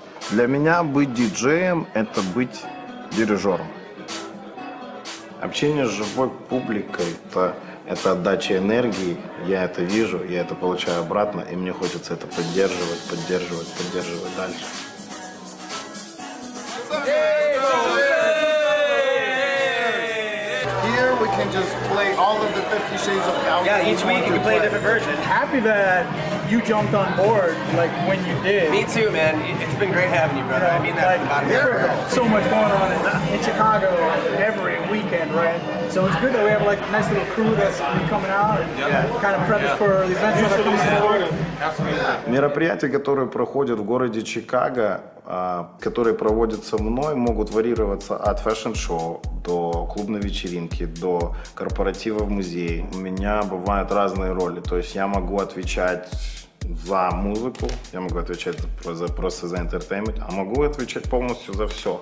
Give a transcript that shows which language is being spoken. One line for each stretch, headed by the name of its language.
Russian: Для меня быть диджеем – это быть дирижером. Общение с живой публикой это отдача энергии. Я это вижу, я это получаю обратно, и мне хочется это поддерживать дальше.
English: Here we can just play all of the 50 shades of Alvin. Yeah, each week you can play a different version. Happy that you jumped on board like when you did. Me too, man. It's been great having you, brother. I mean that like, from the bottom of my heart. So much going on in Chicago every weekend, right? So it's good that we have like a nice little crew that's coming out and kind of prepping for the events that are coming forward.
Russian: Мероприятия, которые проходят в городе Чикаго, которые проводятся мной, могут варьироваться от фэшн-шоу до клубной вечеринки, до корпоратива в музее. У меня бывают разные роли. То есть я могу отвечать за музыку, я могу отвечать просто за entertainment, а могу отвечать полностью за все.